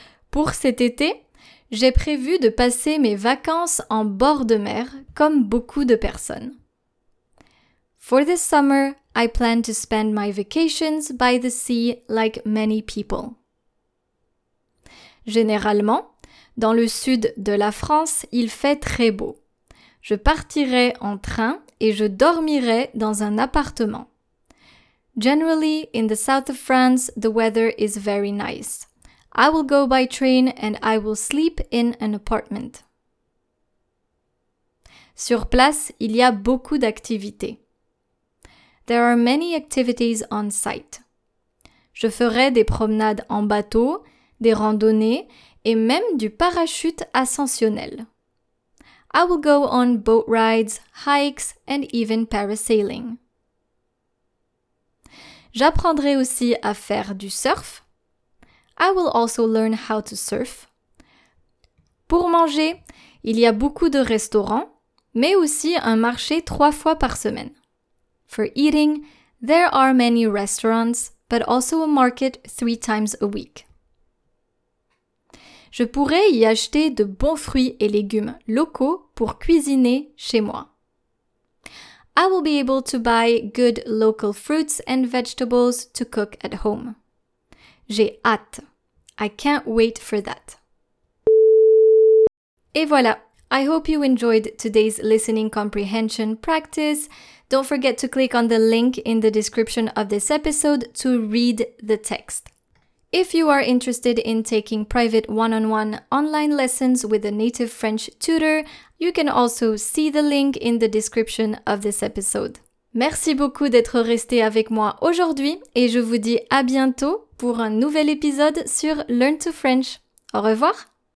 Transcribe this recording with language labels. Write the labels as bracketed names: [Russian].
[French] Pour cet été, j'ai prévu de passer mes vacances en bord de mer, comme beaucoup de personnes. [English] For this summer, I plan to spend my vacations by the sea like many people. [French] Généralement, dans le sud de la France, il fait très beau. Je partirai en train et je dormirai dans un appartement. [English] Generally, in the south of France, the weather is very nice. I will go by train and I will sleep in an apartment. [French] Sur place, il y a beaucoup d'activités. [English] There are many activities on site. [French] Je ferai des promenades en bateau, des randonnées et même du parachute ascensionnel. [English] I will go on boat rides, hikes, and even parasailing. [French] J'apprendrai aussi à faire du surf. [English] I will also learn how to surf. [French] Pour manger, il y a beaucoup de restaurants, mais aussi un marché trois fois par semaine. [English] For eating, there are many restaurants, but also a market three times a week. [French] Je pourrais y acheter de bons fruits et légumes locaux pour cuisiner chez moi. [English] I will be able to buy good local fruits and vegetables to cook at home. [French] J'ai hâte. [English] I can't wait for that. [French] Et voilà. [English] I hope you enjoyed today's listening comprehension practice. Don't forget to click on the link in the description of this episode to read the text. If you are interested in taking private one-on-one online lessons with a native French tutor, you can also see the link in the description of this episode. [French] Merci beaucoup d'être resté avec moi aujourd'hui et je vous dis à bientôt pour un nouvel épisode sur Learn to French. Au revoir!